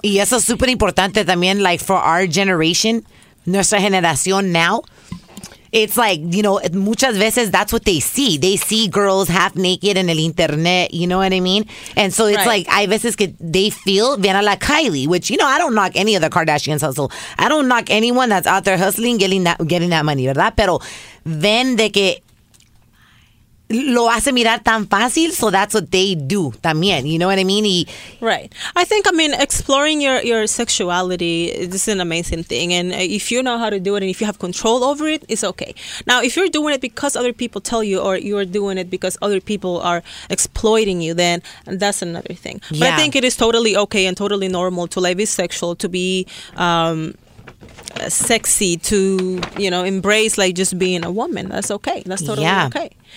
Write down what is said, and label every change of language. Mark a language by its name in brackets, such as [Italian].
[Spanish] Y eso es súper importante también, like, [English] for our generation, [Spanish] nuestra generación now. [English] It's like, you know, [Spanish] muchas veces [English] that's what they see. They see girls half naked in el internet, you know what I mean? And so it's right. Like, [Spanish] hay veces que [English] they feel, [Spanish] viene la Kylie, [English] which, you know, I don't knock any of the Kardashians hustle. I don't knock anyone that's out there hustling, getting that money, [Spanish] ¿verdad? Pero ven de que lo hace mirar tan fácil, [English] so that's what they do [Spanish] también, [English] you know what I mean? Right. I think, I mean, exploring your sexuality is an amazing thing, and if you know how to do it and if you have control over it, it's okay. Now, if you're doing it because other people tell you, or you're doing it because other people are exploiting you, then that's another thing. Yeah. But I think it is totally okay and totally normal to be sexual, to be sexy, to, you know, embrace, like, just being a woman. That's okay. That's totally okay.